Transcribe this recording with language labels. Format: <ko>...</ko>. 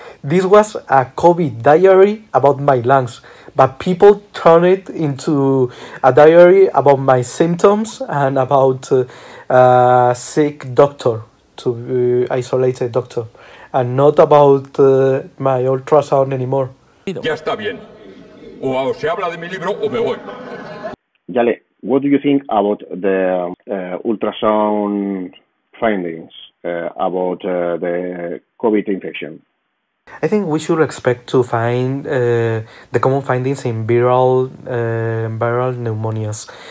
<en>This was a COVID diary about my lungs, but people turn it into a diary about my symptoms and about a sick doctor, to isolate a doctor, and not about my ultrasound anymore.</en> <es>Ya está bien. O se habla de mi libro o me voy.</es> <en>Yale, what do you think about the ultrasound findings about the COVID infection? I think we should expect to find the common findings in viral pneumonias.</en>